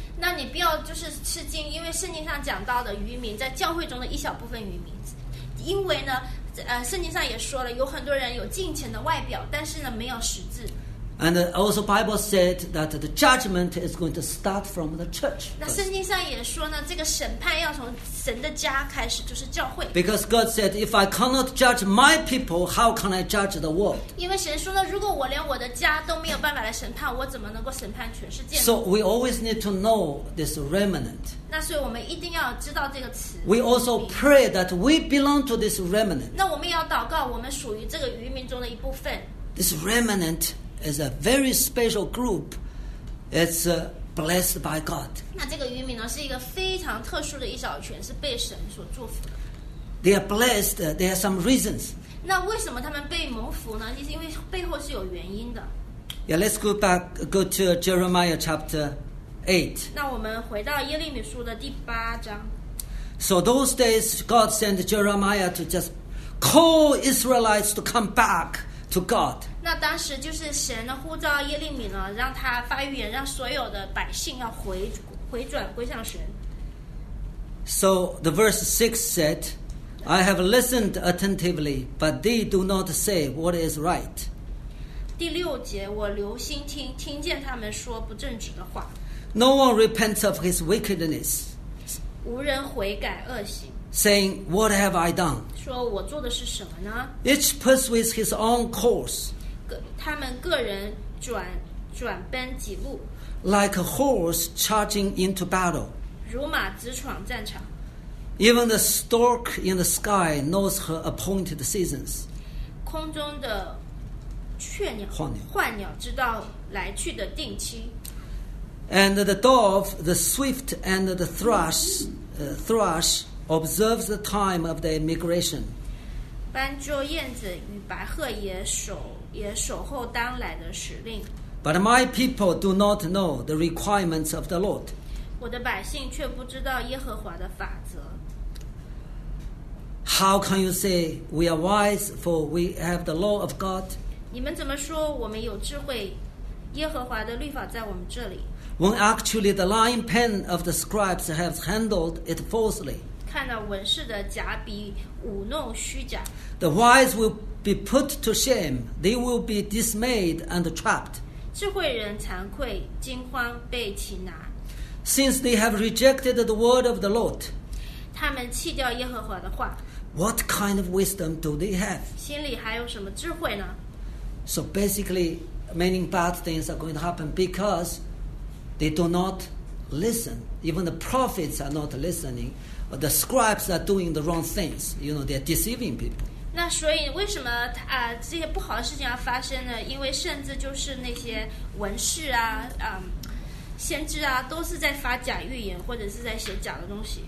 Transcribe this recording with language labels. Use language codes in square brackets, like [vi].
[zh] 那你不要就是吃惊，因为圣经上讲到的渔民在教会中的一小部分渔民，因为呢。圣经上也说了，有很多人有敬虔的外表，但是呢，没有实质。 [en] And also, Bible said that the judgment is going to start from the church. [zh] 那圣经上也说呢，这个审判要从神的家开始，就是教会。 [en] Because God said, if I cannot judge my people, how can I judge the world? [zh] 因为神说呢，如果我连我的家都没有办法来审判，我怎么能够审判全世界呢 [en] ？So we always need to know this remnant. [zh] 那所以我们一定要知道这个词。 [en] We also pray that we belong to this remnant. [zh] 那我们要祷告，我们属于这个渔民中的一部分。 [en] This remnant. Is a very special group. It's blessed by God. [zh] 那这个渔民呢，是一个非常特殊的一小群，是被神所祝福的。 [en] They are blessed. There are some reasons. [zh] 那为什么他们被蒙福呢？因为背后是有原因的。 [en] Yeah, let's go to Jeremiah chapter 8. [zh] 那我们回到耶利米书的第八章。 [en] So those days, God sent Jeremiah to just call Israelites to come back. To God. [zh] 那当时就是神的呼召耶利米呢，让他发预言，让所有的百姓要回转归向神。 [en] So the verse 6 said, I have listened attentively, but they do not say what is right. [zh] 第六节，我留心听见他们说不正直的话。 [en] No one repents of his wickedness. [zh] 无人悔改恶行。 [en] Saying, "What have I done?" [zh] 说我做的是什么呢 [en] ？Each pursues his own course. [zh] 他们个人转奔己路。 [en] Like a horse charging into battle. [zh] 如马直闯战场。 [en] Even the stork in the sky knows her appointed seasons. [zh] 空中的雀鸟，幻鸟知道来去的定期。 [en] And the dove, the swift, and the thrush observes the time of their migration. [zh] 斑鸠、燕子与白鹤也守候当来的时令。 [en] But my people do not know the requirements of the Lord. [zh] 我的百姓却不知道耶和华的法则。 [en] How can you say we are wise, for we have the law of God? [zh] 你们怎么说我们有智慧？耶和华的律法在我们这里。 [en] When actually the lying pen of the scribes has handled it falsely. [zh] 看到文士的假笔舞弄虚假。 [en] The wise will be put to shame; they will be dismayed and trapped. [zh] 智慧人惭愧，惊慌被擒拿。 [en] Since they have rejected the word of the Lord. [zh] 他们弃掉耶和华的话。 [en] What kind of wisdom do they have? [zh] 心里还有什么智慧呢？ [en] So basically, many bad things are going to happen because they do not listen. Even the prophets are not listening. The scribes are doing the wrong things. You know, they are deceiving people. [zh] 那所以为什么啊这些不好的事情要发生呢？因为甚至就是那些文士啊，先知啊，都是在发假预言或者是在写假的东西。